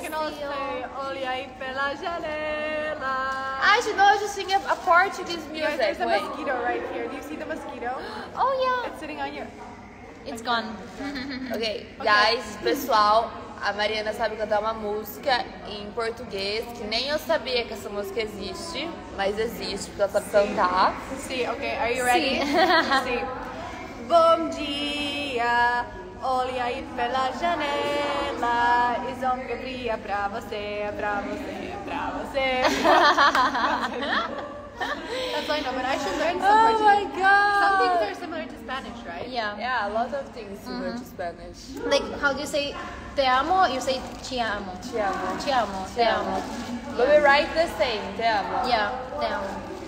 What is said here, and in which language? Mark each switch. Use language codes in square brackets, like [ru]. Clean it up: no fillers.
[en] I can also say, [pt] olhe aí pela janela. [en] I should know, just sing a Portuguese music. Guys, there's a mosquito right here. Do you see the mosquito? Oh, yeah. It's sitting on you. It's gone. Okay, guys, [pt] pessoal, a Mariana sabe cantar uma música em português, que nem eu sabia que essa música existe, mas existe, porque ela sabe cantar. Sim, [en] ok. Are you ready? [pt] Sim. Bom dia, olhe aí pela janela, e São Gabriel pra você, pra você, pra você. [en] That's all I know, but I should learn some. Oh my god! Some things are similar to Spanish, right? Yeah. Yeah, a lot of things similar mm-hmm. to Spanish. Like, how do you say [pt] te amo? [en] You say [pt] ci amo. Ci amo. Ci amo. Te amo. [en] But we write the same, [pt] te amo. [en] Yeah, [pt] te amo.